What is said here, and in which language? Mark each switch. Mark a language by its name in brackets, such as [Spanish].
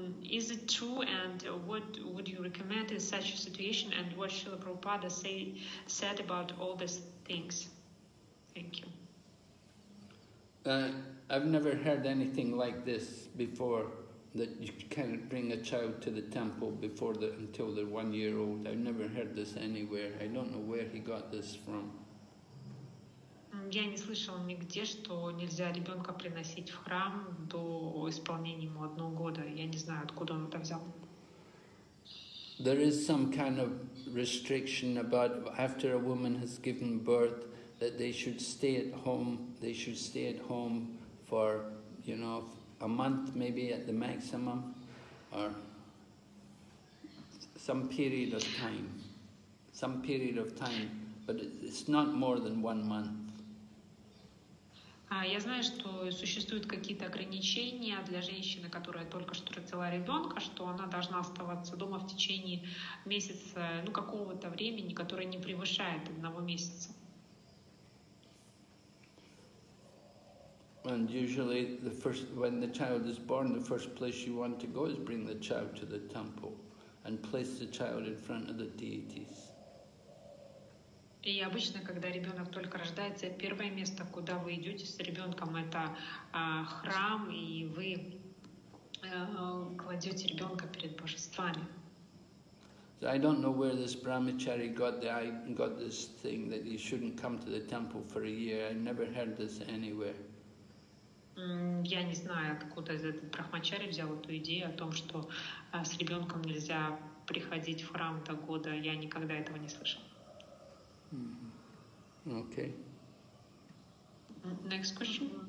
[English] Is it true, and what would you recommend in such a situation, and what Srila Prabhupada said about all these things? Thank you. I've never heard anything like this before that you can't bring a child to the temple before the until they're 1 year old. I've never heard this anywhere. I don't know where he got this from. [Russian] Я не слышала нигде, что нельзя ребенка приносить в храм до исполнения ему 1 года. Я не знаю, откуда он это взял. [English] There is some kind of restriction about after a woman has given birth that they should stay at home. They should stay at home for, you know, a month maybe at the maximum, or some period of time. Some period of time, but it's not more than 1 month. [Russian] Я знаю, что существуют какие-то ограничения для женщины, которая только что родила ребенка, что она должна оставаться дома в течение месяца, ну, какого-то времени, которое не превышает 1 месяца. [English] And usually the first, when the child is born, the first place you want to go is bring the child to the temple and place the child in front of the deities. [Russian] И обычно, когда ребенок только рождается, первое место, куда вы идете с ребенком, это храм, и вы кладете ребенка перед божествами. [English] So I don't know where this brahmachari got this thing that you shouldn't come to the temple for a year. I never heard this anywhere. [Russian] Я не знаю, откуда этот брахмачари взял эту идею о том, что с ребенком нельзя приходить в храм до года. Я никогда этого не слышала. [English] Mm-hmm. Okay. Next question.